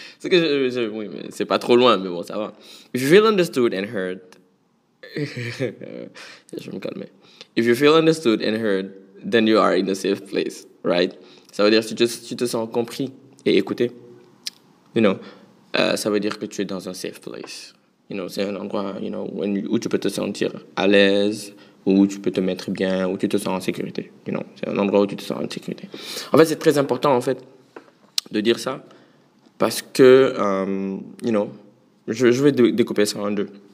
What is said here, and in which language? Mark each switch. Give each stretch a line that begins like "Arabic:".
French: C'est que oui, mais c'est pas trop loin, mais bon, ça va.
English: If you feel understood and heard,
French: je vais me calmer.
English: If you feel understood and heard, then you are in a safe place, right?
French: Ça veut dire que tu te sens compris et écouté. You know, ça veut dire que tu es dans un safe place. You know, c'est un endroit, you know, où tu peux te sentir à l'aise, où tu peux te mettre bien, où tu te sens en sécurité. You know, c'est un endroit où tu te sens en sécurité. En fait, c'est très important, en fait, de dire ça, parce que, you know, je vais découper ça en deux.